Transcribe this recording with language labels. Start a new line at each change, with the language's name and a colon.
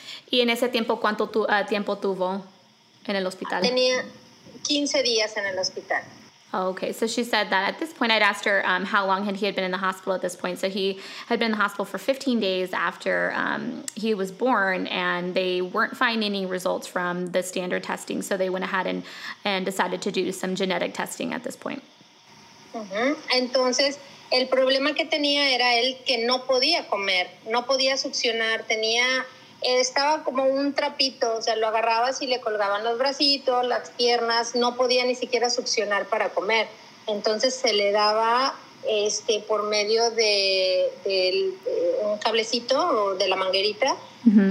Spanish: ¿Y en ese tiempo cuánto tiempo tuvo en el hospital? Tenía 15 días en el hospital.
English: Okay, so she said that at this point, I'd asked her how long had he had been in the hospital at this point. So he had been in the hospital for 15 days after he was born, and they weren't finding any results from the standard testing. So they went ahead and decided to do some genetic testing at this point. Uh-huh.
Spanish: Entonces, el problema que tenía era él que no podía comer, no podía succionar, estaba como un trapito, o sea, lo agarrabas y le colgaban los bracitos, las piernas, no podía ni siquiera succionar para comer. Entonces se le daba por medio de un cablecito o de la manguerita. Uh-huh.